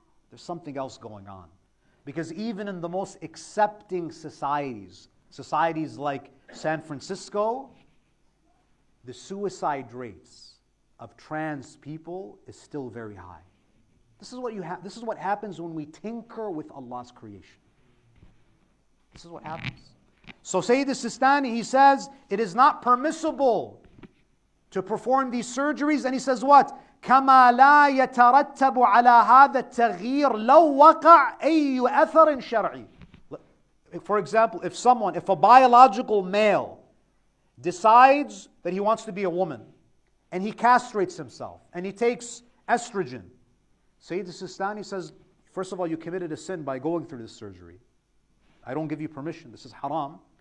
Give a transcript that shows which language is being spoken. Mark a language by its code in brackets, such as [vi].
[en] There's something else going on. Because even in the most accepting societies, societies like San Francisco, the suicide rates of trans people is still very high. This is what you have. This is what happens when we tinker with Allah's creation. This is what happens. So Sayyid Sistani, he says, it is not permissible to perform these surgeries. And he says what? [ar] كَمَا لَا يَتَرَتَّبُ عَلَى هَذَا التَّغْيِيرُ لَوْ وَقَعْ أَيُّ أَثَرٍ شَرْعِ. [en] For example, if a biological male decides that he wants to be a woman, and he castrates himself, and he takes estrogen, Sayyid Sistani says, first of all, you committed a sin by going through this surgery. I don't give you permission. This is haram.